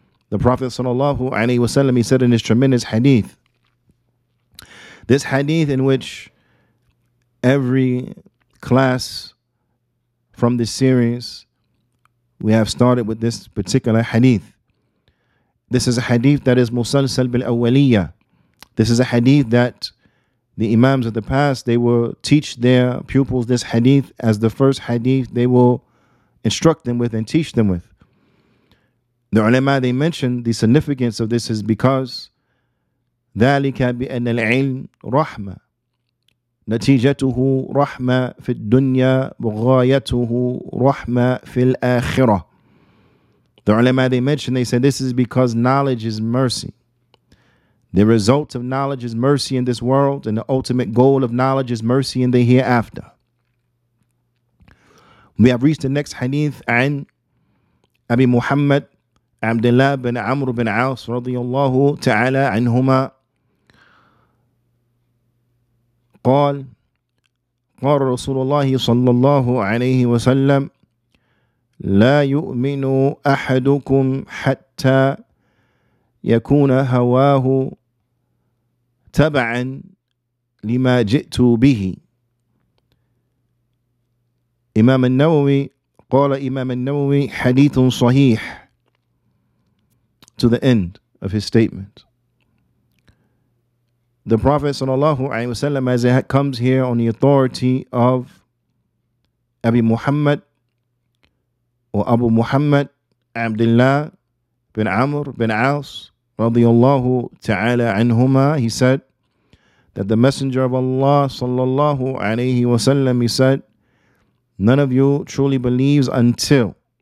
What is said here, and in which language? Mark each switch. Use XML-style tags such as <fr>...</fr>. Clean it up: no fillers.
<en>The Prophet sallallahu alayhi wasallam, he said in his tremendous hadith, this hadith in which every class from this series, we have started with this particular hadith. This is a hadith that is musalsal bil awwaliyya. This is a hadith that the imams of the past, they will teach their pupils this hadith as the first hadith they will instruct them with and teach them with. The ulama, they mentioned the significance of this is because</en> <ar>ذَلِكَ بِأَنَّ الْعِلْمِ رَحْمَ نَتِيجَتُهُ رَحْمَ فِي الدُّنْيَا وَغَايَتُهُ رَحْمَ فِي الْآخِرَةِ</ar> <en>The ulama, they mentioned, they said this is because knowledge is mercy. The result of knowledge is mercy in this world and the ultimate goal of knowledge is mercy in the hereafter. We have reached the next hadith</en> <ar>عن أبي محمد عبد الله بن عمرو بن عاص رضي الله تعالى عنهما قال قال رسول الله صلى الله عليه وسلم لا يؤمن أحدكم حتى يكون هواه تبعا لما جئت به إمام النووي قال إمام النووي حديث صحيح</ar> <en>to the end of his statement. The Prophet sallallahu alaihi wasallam, as it comes here on the authority of Abi Muhammad or Abu Muhammad Abdullah bin Amr bin Aus radiyallahu ta'ala anhuma, he said that the Messenger of Allah sallallahu alaihi wasallam, he said, none of you truly believes until</en>